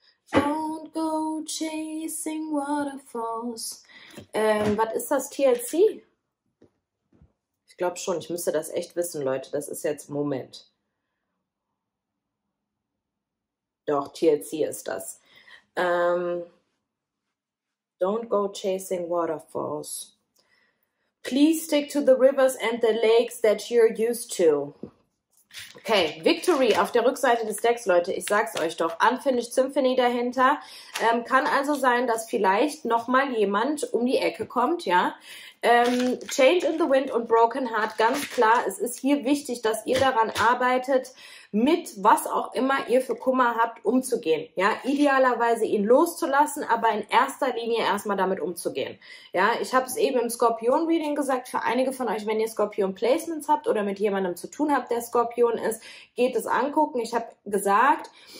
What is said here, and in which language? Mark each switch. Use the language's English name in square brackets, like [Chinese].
[English] Don't go chasing waterfalls. [German] Was ist das, TLC? Ich glaube schon, ich müsste das echt wissen, Leute. Das ist jetzt Moment. Doch, TLC ist das. [English] Don't go chasing waterfalls. Please stick to the rivers and the lakes that you're used to. [German] Okay, Victory auf der Rückseite des Decks, Leute, ich sag's euch doch, Unfinished Symphony dahinter, kann also sein, dass vielleicht nochmal jemand um die Ecke kommt, ja, Change in the Wind und Broken Heart, ganz klar, es ist hier wichtig, dass ihr daran arbeitet, mit was auch immer ihr für Kummer habt, umzugehen, ja, idealerweise ihn loszulassen, aber in erster Linie erstmal damit umzugehen, ja, ich habe es eben im Skorpion-Reading gesagt, für einige von euch, wenn ihr Skorpion-Placements habt oder mit jemandem zu tun habt, der Skorpion ist, geht es angucken, ich habe gesagt,